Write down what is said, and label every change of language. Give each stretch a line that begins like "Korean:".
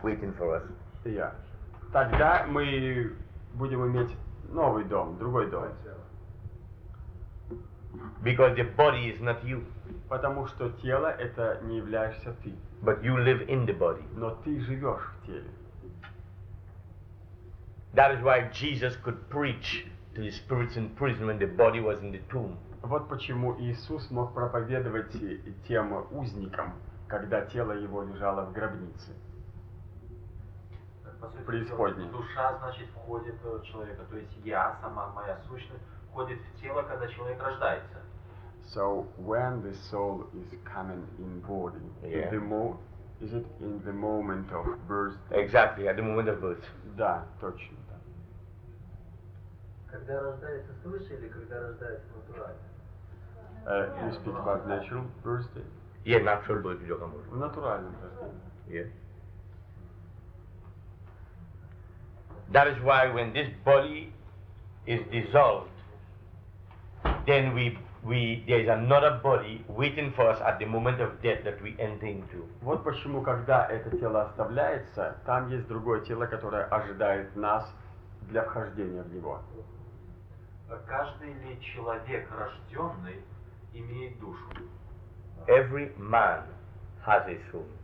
English: Waiting for us. Yeah.
Russian: Тогда мы будем иметь новый дом, другой дом.
English: Because the body is not you.
Russian: Потому что тело это не являешься ты.
English: But you live in the body.
Russian: Но ты живешь в теле.
English: That is why Jesus could preach to the spirits in prison when the body was in the tomb.
Russian: Вот почему Иисус мог проповедовать тем узникам, когда тело его лежало в гробнице. Преисподней. Душа, значит, входит в человека, то есть я сама, моя сущность входит в тело, когда человек рождается.
English: So when the soul is coming in body, yeah. Is it in the moment of birth? Exactly, at the moment of birth.
Russian: Да, точно. Когда рождается свыше или когда рождается натурально?
English: You speak about natural birth? Yeah, natural birth, you can say. Natural birth. Yeah. That is why when this body is dissolved, then we there is another body waiting for us at the moment of death that we enter into.
Russian: Вот почему, когда это тело оставляется, там есть другое тело, которое ожидает нас для вхождения в него. Каждый ли человек рожденный имеет душу?
English: Every man has a soul.